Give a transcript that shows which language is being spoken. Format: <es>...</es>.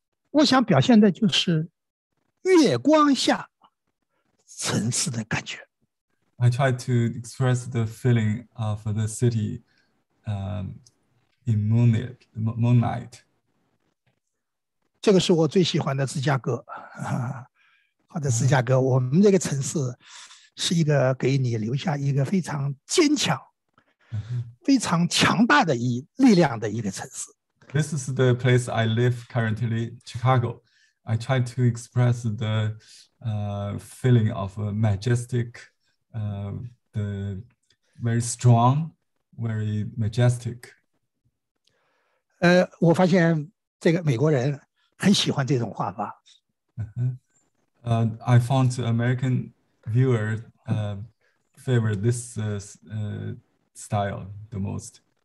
<zh>我想表现的就是月光下城市的感觉。</zh> <en>I try to express the feeling of the city, in moonlight.</en> <zh>这个是我最喜欢的芝加哥，好的，芝加哥，我们这个城市是一个给你留下一个非常坚强、非常强大的一力量的一个城市。</zh> <en>This is the place I live currently, Chicago. I try to express the feeling of a majestic, the very strong, very majestic.</en> <zh>我发现这个美国人很喜欢这种话吧。</zh> <en>I found American viewer favor this style the most.</en>